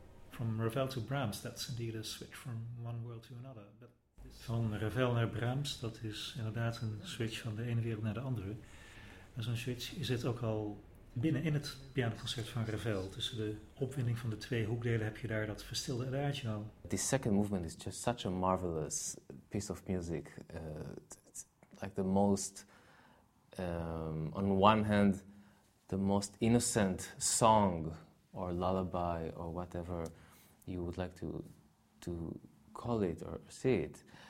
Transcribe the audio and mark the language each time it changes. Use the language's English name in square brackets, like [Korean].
[English] From Ravel to Brahms, that's indeed a switch from one world to another. [Dutch] But van Ravel naar Brahms, dat is inderdaad een switch van de ene wereld naar de andere. Maar zo'n switch, is het ook al Binnen in het pianoconcert van Ravel, tussen de opwinding van de twee hoekdelen, heb je daar dat verstilde adagio. [English] This second movement is just such a marvelous piece of music. It's like the most, on one hand, the most innocent song or lullaby or whatever you would like to call it or say it.